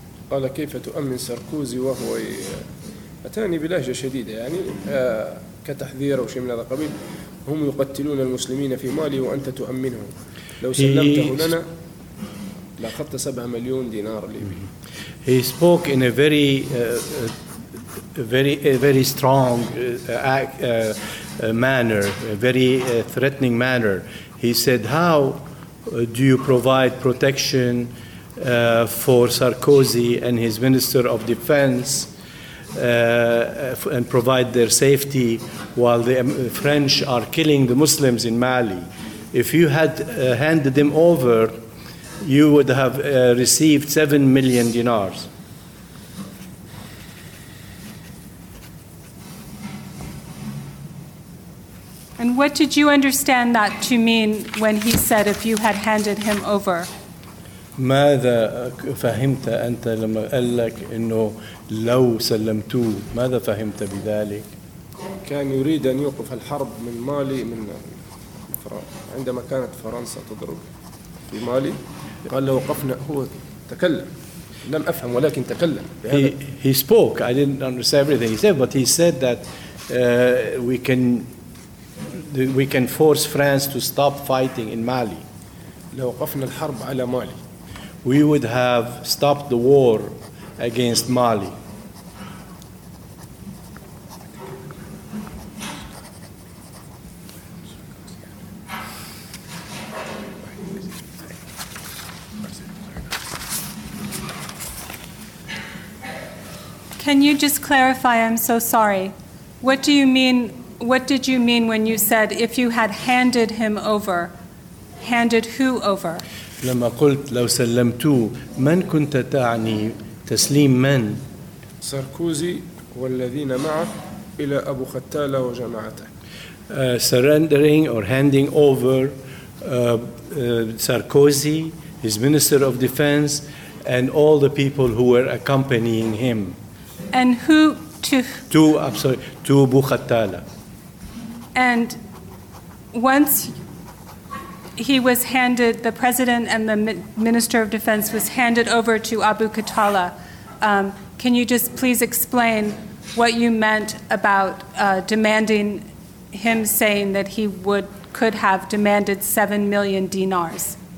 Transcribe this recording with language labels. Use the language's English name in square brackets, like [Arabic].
[Arabic] قال كيف تؤمن ساركوزي وهو أتاني بلهجة شديدة يعني كتحذير أو شيء من هذا القبيل هم يقتلون المسلمين في مالي وأنت تؤمنهم لو سلمته لنا لأخذت 7 مليون دينار ليبي. [English] He spoke in a very very strong manner, a very threatening manner. He said, "How do you provide protection for Sarkozy and his Minister of Defense and provide their safety while the French are killing the Muslims in Mali. If you had handed them over, you would have received 7 million dinars. And what did you understand that to mean when he said if you had handed him over? [Arabic] ماذا فهمت أنت لما قال لك إنه لو سلمتوه ماذا فهمت بذلك؟ كان يريد أن يوقف الحرب من مالي من عندما كانت فرنسا تضرب في مالي قال لو وقفنا هو تكلم لم أفهم ولكن تكلم. [English] He spoke. I didn't understand everything he said, but he said that we can force France to stop fighting in Mali. [Arabic] لو وقفنا الحرب على مالي. [English] We would have stopped the war against Mali. Can you just clarify, I'm so sorry. What do you mean What did you mean when you said if you had handed him over? Handed who over? [Arabic] لما قلت لو سلمتو من كنت تعني تسليم من؟ ساركوزي والذين معه إلى أبو ختالة وجماعته. [English] Surrendering or handing over Sarkozy, his Minister of Defense, and all the people who were accompanying him. And who to? To Abu Khattala. And once he was handed, the President and the Minister of Defense was handed over to Abu Khattala, can you just please explain what you meant about demanding him saying that he would could have demanded 7 million dinars?